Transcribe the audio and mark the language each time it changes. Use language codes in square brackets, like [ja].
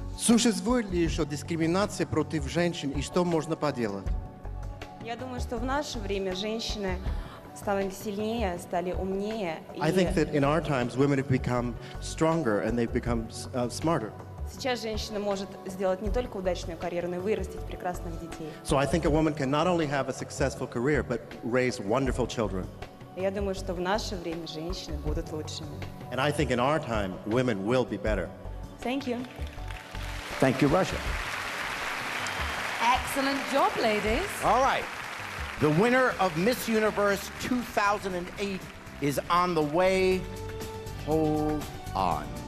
[ru] Существует ли еще дискриминация против женщин, и что можно поделать? Я думаю, что в наше время женщины стали сильнее, стали умнее. [en] I think that in our times women have become stronger and they've become smarter. [ru] Сейчас женщина может сделать не только удачную карьеру, но и вырастить прекрасных детей. [en] So I think a woman can not only have a successful career, but raise wonderful children. [ru] Я думаю, что в наше время женщины будут лучшими. [en] And I think in our time, women will be better. Thank you. Thank you, Russia. Excellent job, ladies. All right. The winner of Miss Universe 2008 is on the way. Hold on.